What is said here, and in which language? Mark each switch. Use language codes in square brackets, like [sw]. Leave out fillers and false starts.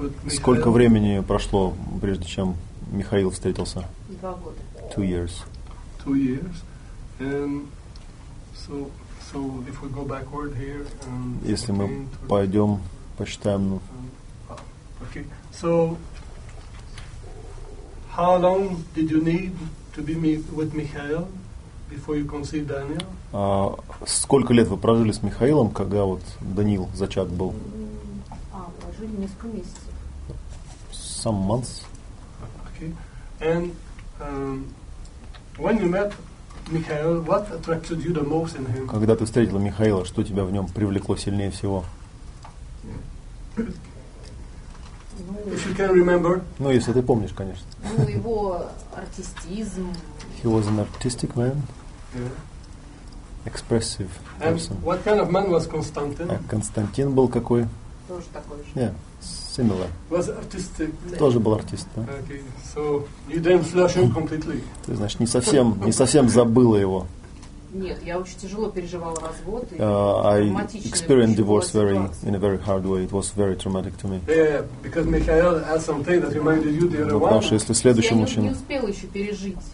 [ru] Сколько времени прошло, прежде чем Михаил встретился? 2 года. [en] 2 years. 2 years. And so if we go backward here, [ru] если мы пойдем, посчитаем. [en] Okay. So how long did you need to be with Mikhail before you conceived Daniel? [ru] Сколько лет вы прожили с Михаилом, когда вот Даниил зачат был? Прожили несколько месяцев. [en] Some months. Okay. And when you met Mikhail, what attracted you the most in him? [ru] Когда ты встретила Михаила, что тебя в нем привлекло сильнее всего? [en] If you can remember. [ru] Ну, если ты помнишь, конечно. Ну, его артистизм. [en] He was an artistic man. Yeah. Expressive and person. And what kind of man was Constantine? [ru] Константин был какой? Тоже такой же. [en] Yeah, similar. Was artistic. [ru] Yeah. Тоже был артист, да. [en] Okay, so you didn't flush him completely. [ru] Ты, значит, не совсем забыла его. Нет, я очень тяжело переживала развод. [en] I experienced divorce very in a very hard way. It was very traumatic to me. Yeah, because Michael had something that reminded you the other one. [ru] Потому что если следующий мужчина. Я не успела еще пережить.